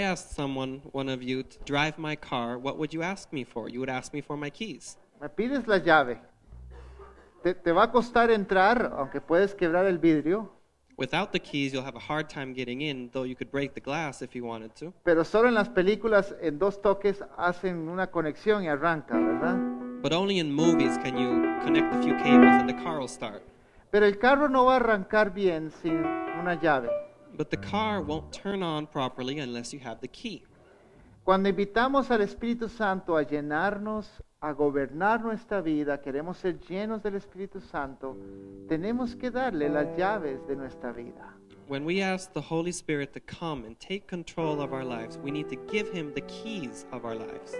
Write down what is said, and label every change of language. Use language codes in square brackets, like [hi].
[en] If I asked someone, one of you, to drive my car, what would you ask me for? You would ask me for my keys. [es] Me pides la llave. Te va a costar entrar, aunque puedes quebrar el vidrio. [en] Without the keys, you'll have a hard time getting in, though you could break the glass if you wanted to. [es] Pero solo en las películas, en dos toques, hacen una conexión y arranca, ¿verdad? [en] But only in movies can you connect a few cables and the car will start. [es] Pero el carro no va a arrancar bien sin una llave. [en] But the car won't turn on properly unless you have the key. [es] Cuando invitamos al Espíritu Santo a llenarnos, a gobernar nuestra vida, queremos ser llenos del Espíritu Santo, tenemos que darle las llaves de nuestra vida. [en] When we ask the Holy Spirit to come and take control of our lives, we need to give Him the keys of our lives.